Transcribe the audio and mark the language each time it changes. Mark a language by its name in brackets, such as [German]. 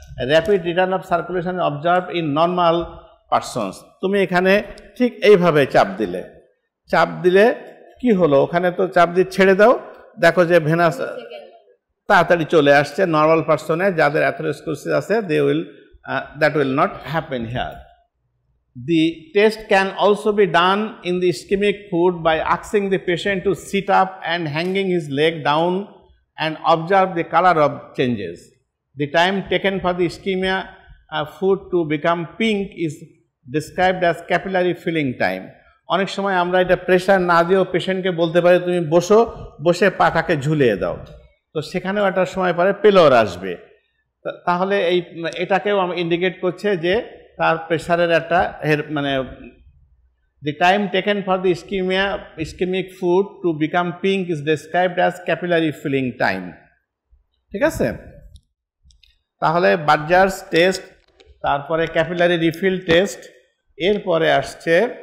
[English] rapid return of circulation observe in normal persons [Bangla] তুমি এখানে ঠিক এইভাবে চাপ দিলে কি হলো ওখানে তো চাপ দিয়ে ছেড়ে দাও দেখো যে ভেনাস তাড়াতাড়ি চলে আসছে নর্মাল পার্সনে যাদের অ্যাথেরোস্ক্লেরোসিস আছে [English] They will that will not happen here. The test can also be done in the ischemic foot by asking the patient to sit up and hanging his leg down and observe the color of changes. The time taken for the ischemia foot to become pink is described as capillary filling time. [Bangla] অনেক সময় আমরা এটা pressure না দিয়েও পেশেন্টকে বলতে পারি তুমি বসো বসে পাটাকে ঝুলিয়ে দাও তো সেখানেও একটা সময় পরে পেলর আসবে তাহলে এই এটাকেও ইন্ডিকেট করছে যে তার প্রেশারের একটা মানে [English] the time taken for the ischemia ischemic foot to become pink is described as capillary filling time [Bangla] ঠিক আছে তাহলে বার্জার্স টেস্ট তারপরে ক্যাপিলারি রিফিল টেস্ট এরপরে আসছে